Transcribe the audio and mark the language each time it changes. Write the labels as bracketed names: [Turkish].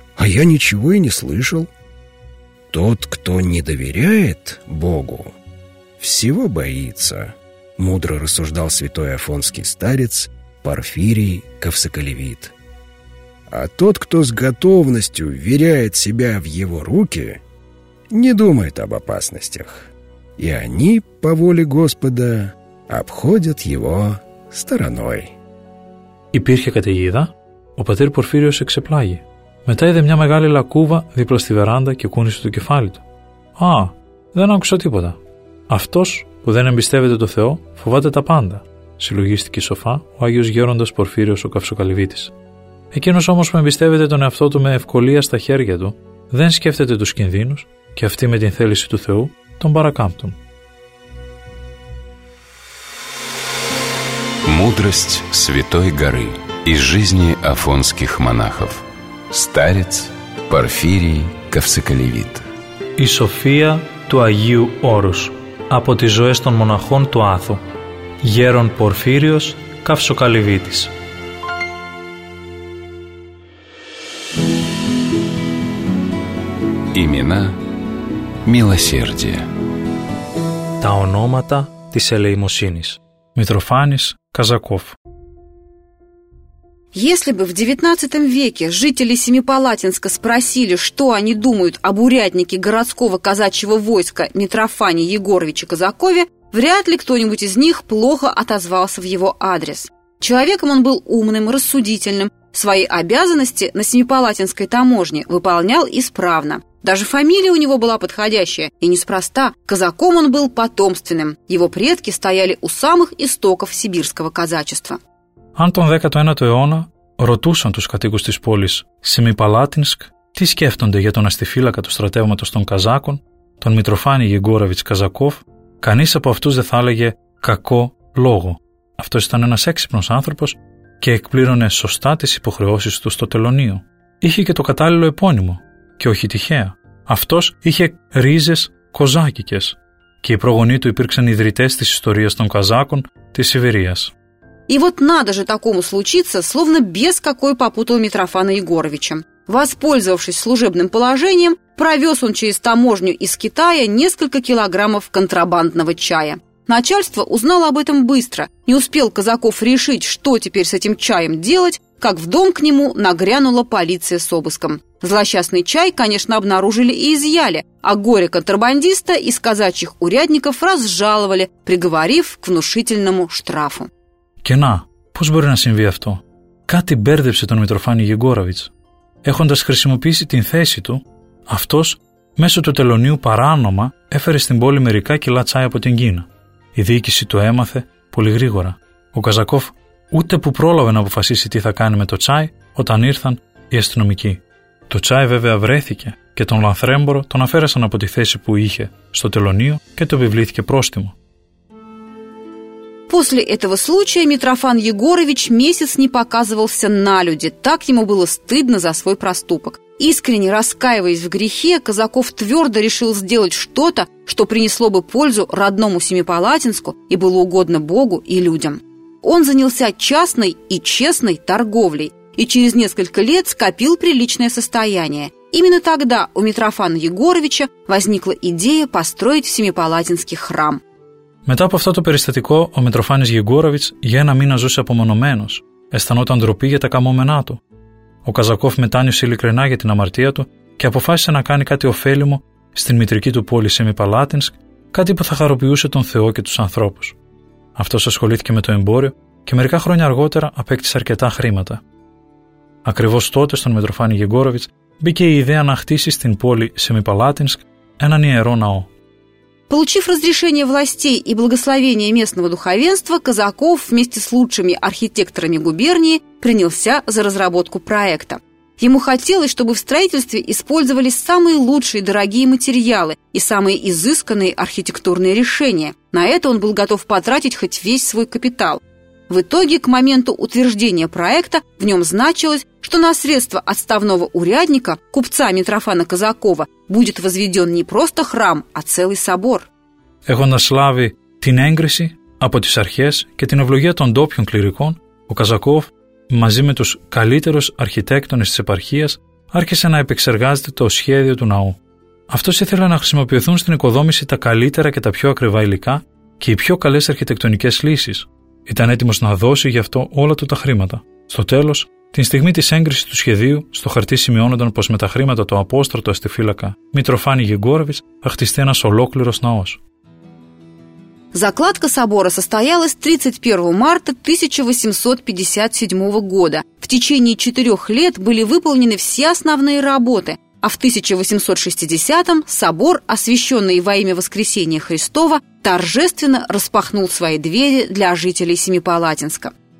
[Russian] А я ничего и не слышал. Тот, кто не доверяет Богу, всего боится», мудро рассуждал святой афонский старец Порфирий Ковсоколевит. «А тот, кто с готовностью вверяет себя в его руки, не думает об опасностях, и они, по воле Господа, обходят его стороной». [Greek] Υπήρχε καταιγίδα, ο πατήρ Πορφύριος εξεπλάγει. Μετά είδε μια μεγάλη λακκούβα δίπλα στη βεράντα και κούνησε το κεφάλι του. «Α, δεν άκουσα τίποτα. Αυτός που δεν εμπιστεύεται το Θεό φοβάται τα πάντα», συλλογίστηκε σοφά ο Άγιος Γέροντας Πορφύριος ο Καυσοκαλυβίτης. «Εκείνος όμως που εμπιστεύεται τον εαυτό του με ευκολία στα χέρια του, δεν σκέφτεται τους κινδύνους και αυτοί με την θέληση του Θεού τον παρακάμπτουν». [Russian] Мудрость Святой Горы из жизни афонских монахов. Старец Порфирий Ковсоколевит. [Greek] Η σοφία του Αγίου Όρους από τις ζωές των μοναχών του Άθου. Γέρον Πορφύριος Ковσοκαλυβίτης. [Russian] Имена милосердия. [Greek] Τα ονόματα της ελεημοσύνης. [Russian] Митрофанис Казаков. Если бы в XIX веке жители Семипалатинска спросили, что они думают об уряднике городского казачьего войска Митрофане Егоровиче Казакове, вряд ли кто-нибудь из них плохо отозвался в его адрес. Человеком он был умным, рассудительным, Свои обязанности на Семипалатинской таможне выполнял исправно. Даже фамилия у него была подходящая, и неспроста. Казаком он был потомственным. Его предки стояли у самых истоков сибирского казачества. [Greek] Αν τον 19ο αιώνα ρωτούσαν τους κατοίκους της πόλης Σεμιπαλάτινσκ τι σκέφτονται για τον αστιφύλακα του στρατεύματος των Καζάκων, τον Μητροφάνη Γιγκόραβιτς Καζακόφ, κανείς από αυτούς δεν θα έλεγε κακό λόγο. Αυτός ήταν ένας έξυπνος άνθρωπος και εκπλήρωνε σωστά τις υποχρεώσεις του στο Τελωνείο. Είχε και το κατάλληλο επώνυμο, και όχι τυχαία. Αυτός είχε ρίζες κοζάκικες και οι προγονείς του υπήρξαν ιδρυτές της ιστορίας των Καζάκων της Σιβηρίας. [Russian] И вот надо же такому случиться, словно без какой попутал Митрофана Егоровича. Воспользовавшись служебным положением, провез он через таможню из Китая несколько килограммов контрабандного чая. Начальство узнало об этом быстро. Не успел Казаков решить, что теперь с этим чаем делать, как в дом к нему нагрянула полиция с обыском. Злосчастный чай, конечно, обнаружили и изъяли, а горе контрабандиста из казачьих урядников разжаловали, приговорив к внушительному штрафу. [Greek] Και να, πώς μπορεί να συμβεί αυτό. Κάτι μπέρδεψε τον Μητροφάνη Γιγκόραβιτς. Έχοντας χρησιμοποιήσει την θέση του, αυτός μέσω του Τελωνείου παράνομα έφερε στην πόλη μερικά κιλά τσάι από την Κίνα. Η διοίκηση το έμαθε πολύ γρήγορα. Ο Καζακόφ ούτε που πρόλαβε να αποφασίσει τι θα κάνει με το τσάι όταν ήρθαν οι αστυνομικοί. Το τσάι βέβαια βρέθηκε και τον Λανθρέμπορο τον αφαίρεσαν από τη θέση που είχε στο Τελωνείο και του επιβλήθηκε πρόστιμο. [Russian] После этого случая Митрофан Егорович месяц не показывался на люди, так ему было стыдно за свой проступок. Искренне раскаиваясь в грехе, Казаков твердо решил сделать что-то, что принесло бы пользу родному Семипалатинску и было угодно Богу и людям. Он занялся частной и честной торговлей и через несколько лет скопил приличное состояние. Именно тогда у Митрофана Егоровича возникла идея построить в Семипалатинске храм. [Greek] Μετά από αυτό το περιστατικό, ο Μητροφάνης Γιγκόραβιτς για ένα μήνα ζούσε απομονωμένος. Αισθανόταν ντροπή για τα καμώμενά του. Ο Καζακόφ μετάνιωσε ειλικρινά για την αμαρτία του και αποφάσισε να κάνει κάτι ωφέλιμο στην μητρική του πόλη Σεμιπαλάτινσκ, κάτι που θα χαροποιούσε τον Θεό και τους ανθρώπους. Αυτός ασχολήθηκε με το εμπόριο και μερικά χρόνια αργότερα απέκτησε αρκετά χρήματα. Ακριβώς τότε στον Μητροφάνη Γιγκόραβιτς μπήκε η ιδέα να χτίσει στην πόλη Σεμιπαλάτινσκ έναν ιερό ναό. [Russian] Получив разрешение властей и благословение местного духовенства, Казаков вместе с лучшими архитекторами губернии принялся за разработку проекта. Ему хотелось, чтобы в строительстве использовались самые лучшие дорогие материалы и самые изысканные архитектурные решения. На это он был готов потратить хоть весь свой капитал. В итоге, к моменту утверждения проекта, в нем значилось, что на средства отставного урядника, купца Митрофана Казакова, будет возведен не просто храм, а целый собор. [Greek] Έχοντας λάβει την έγκριση από τις αρχές και την ευλογία των ντόπιων κληρικών, ο Καζακόφ, μαζί με τους καλύτερους αρχιτέκτονες της επαρχίας, άρχισε να επεξεργάζεται το σχέδιο του ναού. Αυτός ήθελε να χρησιμοποιηθούν στην οικοδόμηση τα καλύτερα και τα πιο ακριβά υλικά και οι πιο καλές αρχιτεκτονικές λύσεις. Ήταν έτοιμος να δώσει γι' αυτό όλα του τα χρήματα. Στο τέλος, την στιγμή της έγκρισης του σχεδίου, στο χαρτί σημειώνονταν πως με τα χρήματα του απόστρατου αστιφύλακα Μητροφάνη Γιγκόραβιτς θα χτιστεί ένας ολόκληρος ναός. [Russian] Закладка собора состоялась 31 марта 1857 года. В течение 4 лет были выполнены все основные работы, а в 1860 собор, освященный во имя Воскресения Христова, торжественно распахнул свои двери для жителей Семипалатинска.